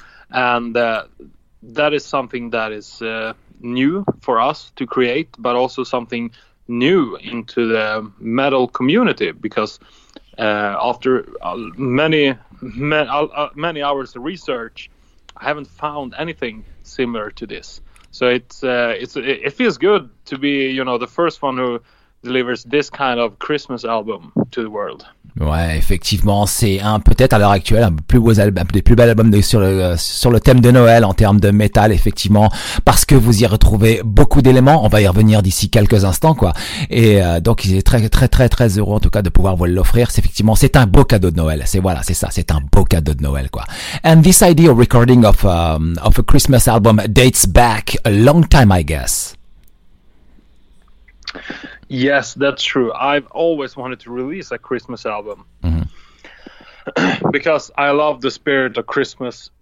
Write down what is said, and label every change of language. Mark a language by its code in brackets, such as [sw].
[en] And that is something that is new for us to create, but also something new into the metal community, because after many hours of research, I haven't found anything similar to this. So it feels good to be, you know, the first one who delivers this kind of Christmas album to the world. [fr] Ouais, effectivement, c'est un peut-être à l'heure actuelle un plus beau album, des plus belles albums sur le thème de Noël en termes de métal, effectivement, parce que vous y retrouvez beaucoup d'éléments. On va y revenir d'ici quelques instants, quoi. Et donc, il est très très très très heureux en tout cas de pouvoir vous l'offrir. C'est effectivement, c'est un beau cadeau de Noël. C'est voilà, c'est ça, c'est un beau cadeau de Noël, quoi. [en] And this idea of recording of a Christmas album dates back a long time, I guess. Yes, that's true. I've always wanted to release a Christmas album. Mm-hmm. Because I love the spirit of Christmas.